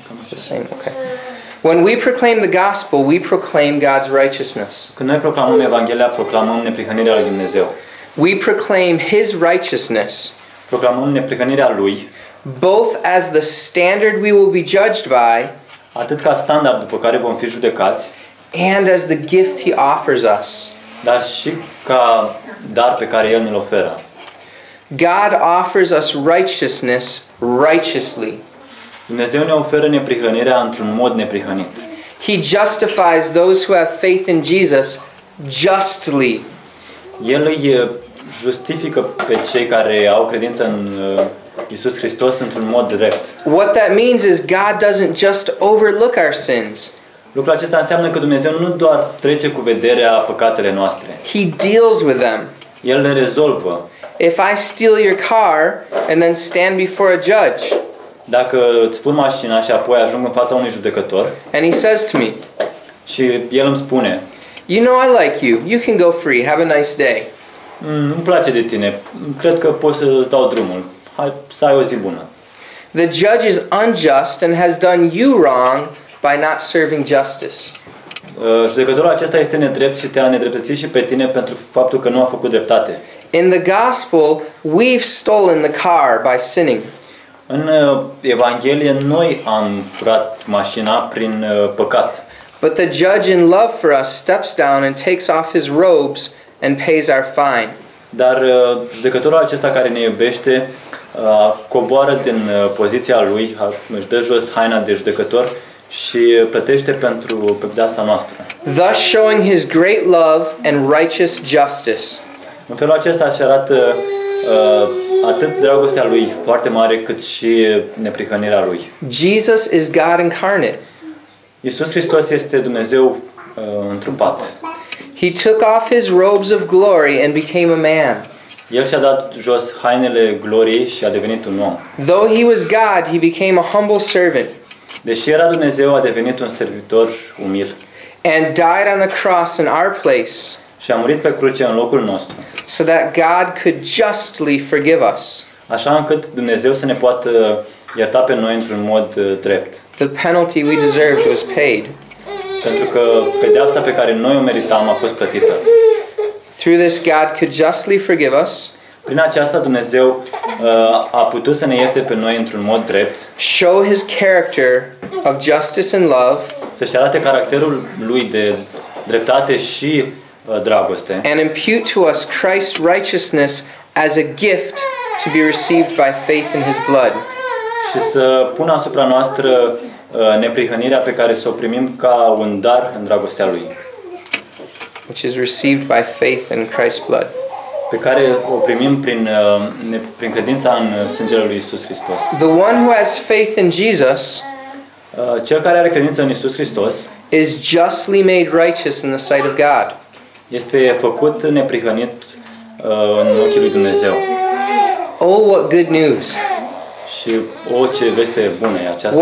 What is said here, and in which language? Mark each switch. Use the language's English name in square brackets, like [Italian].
[English] It's the same, okay. When we proclaim the gospel, we proclaim God's righteousness. [Romanian] Când noi proclamăm Evanghelia, proclamăm neprihănirea lui Dumnezeu. [English] We proclaim his righteousness. [Romanian] Proclamăm neprihănirea lui. [English] Both as the standard we will be judged by, [Romanian] atât ca standard după care vom fi judecați, [English] and as the gift he offers us. [Romanian] Dar și ca dar pe care el ne-l oferă. [English] God offers us righteousness righteously. [Romanian] Dumnezeu ne oferă neprihănirea într-un mod neprihănit. [English] He justifies those who have faith in Jesus justly. [Romanian] El îi justifică pe cei care au credință în Iisus Hristos într-un mod drept. [English] What that means is God doesn't just overlook our sins. [Romanian] Lucrul acesta înseamnă că Dumnezeu nu doar trece cu vederea păcatele noastre. [English] He deals with them. [Romanian] El le rezolvă. [English] If I steal your car and then stand before a judge, [Romanian] dacă îți fur mașina și apoi ajung în fața unui judecător, [English] and he says to me, [Romanian] și el îmi spune, [English] you know I like you, you can go free, have a nice day. [Romanian] Îmi place de tine, cred că poți să îți dau drumul, hai să ai o zi bună. [English] The judge is unjust and has done you wrong by not serving justice. [Romanian] Judecătorul acesta este nedrept și te-a nedreptățit și pe tine pentru faptul că nu a făcut dreptate. [English] In the gospel, we've stolen the car by sinning. [Romanian] În Evanghelie, noi am furat mașina prin păcat. [English] But the judge in love for us steps down and takes off his robes and pays our fine. [Romanian] Dar judecătorul acesta care ne iubește coboară din poziția lui, își dă jos haina de judecător și plătește pentru pedeapsa noastră. [English] Thus showing his great love and righteous justice. [Romanian] În felul acesta își arată atât dragostea lui foarte mare, cât și neprihănirea lui. [English] Jesus is God incarnate. [Romanian] Iisus Hristos este Dumnezeu întrupat. [English] He took off his robes of glory and became a man. [Romanian] El și-a dat jos hainele gloriei și a devenit un om. [English] Though he was God, he became a humble servant. [Romanian] Deși era Dumnezeu, a devenit un servitor umil. [English] And died on the cross in our place. [Romanian] Și a murit pe cruce în locul nostru. [English] So that God could justly forgive us. [Romanian] Așa încât Dumnezeu să ne poată ierta pe noi într-un mod drept. [English] The penalty we deserved was paid. [Romanian] Pentru că pedeapsa pe care noi o meritam a fost plătită. [English] Through this God could justly forgive us. [Romanian] Prin aceasta Dumnezeu a putut să ne ierte pe noi într-un mod drept. [English] Show his character of justice and love. [Romanian] Să-și arate caracterul lui de dreptate și dragoste. [English] And impute to us Christ's righteousness as a gift to be received by faith in his blood. [Romanian] Și să pună asupra noastră neprihănirea pe care s-o primim ca un dar în dragostea lui. [English] Which is received by faith in Christ's blood. [Romanian] Pe care o primim prin credința în sângele lui Iisus Hristos. [English] The one who has faith in Jesus, [Romanian] cel care are credință în Iisus Hristos, [English] is justly made righteous in the sight of God. [Romanian] Este făcut neprihănit în ochii lui Dumnezeu. [English] Oh, what good news! [Romanian] Și oh, ce veste bună e aceasta.